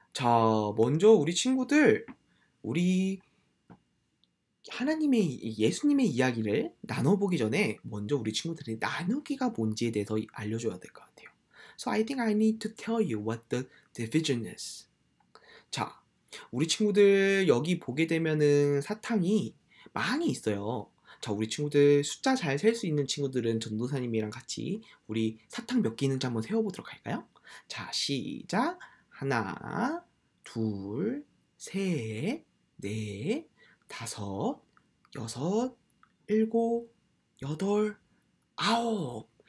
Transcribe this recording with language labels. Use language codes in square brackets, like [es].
[ko] 자, 먼저 우리 친구들 우리 하나님의 예수님의 이야기를 나눠보기 전에 먼저 우리 친구들의 나누기가 뭔지에 대해서 알려줘야 될 것 같아요. [en] So I think I need to tell you what the division is. [ko] 자, 우리 친구들 여기 보게 되면은 사탕이 많이 있어요. 자, 우리 친구들 숫자 잘 셀 수 있는 친구들은 전도사님이랑 같이 우리 사탕 몇 개 있는지 한번 세워보도록 할까요? 자, 시작! 하나, 둘, 셋, 넷, 다섯, 여섯, 일곱, 여덟, 아홉!